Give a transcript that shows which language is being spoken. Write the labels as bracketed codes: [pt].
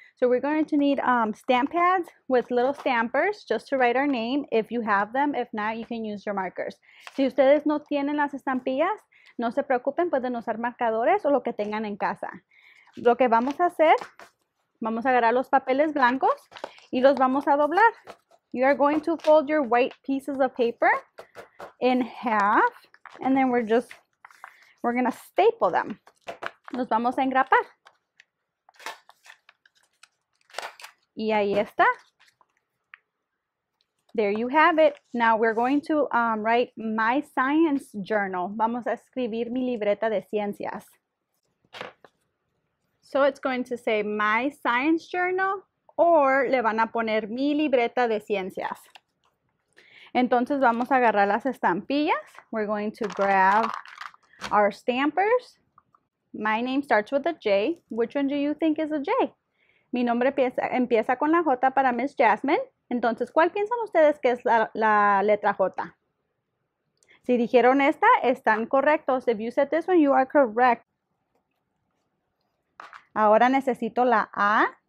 [en] So we're going to need stamp pads with little stampers just to write our name if you have them. If not, you can use your markers. [es] Si ustedes no tienen las estampillas, no se preocupen, pueden usar marcadores o lo que tengan en casa. Lo que vamos a hacer, vamos a agarrar los papeles blancos y los vamos a doblar. [en] You are going to fold your white pieces of paper in half and then we're going to staple them. [es] Los vamos a engrapar. Y ahí está. [en] There you have it. Now we're going to write my science journal. [es] Vamos a escribir mi libreta de ciencias. [en] So it's going to say my science journal or [es] le van a poner mi libreta de ciencias. Entonces vamos a agarrar las estampillas. [en] We're going to grab our stampers. My name starts with a J. Which one do you think is a J? [es] Mi nombre empieza con la J para Miss Jasmine. Entonces, ¿cuál piensan ustedes que es la letra J? Si dijeron esta, están correctos. [en] If you said this one, you are correct. [es] Ahora necesito la A.